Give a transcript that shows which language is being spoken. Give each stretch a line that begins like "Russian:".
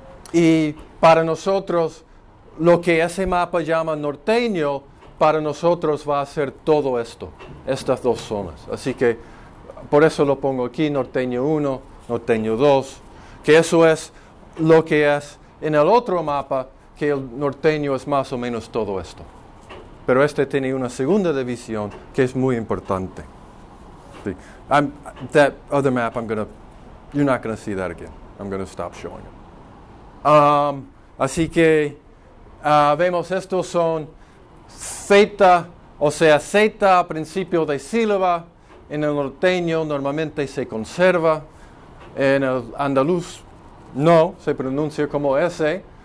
Spanish: Y para nosotros, lo que ese mapa llama norteño, para nosotros va a ser todo esto, estas dos zonas. Así que... por eso lo pongo aquí, norteño 1, norteño 2, que eso es lo que es en el otro mapa, que el norteño es más o menos todo esto. Pero este tiene una segunda división que es muy importante. Sí.
English: That other map, you're not going to see that again. I'm going to stop showing it.
Spanish: Así que vemos, estos son Z, o sea, Z a principio de sílaba. En el norteño normalmente se conserva, en el andaluz no, se pronuncia como S.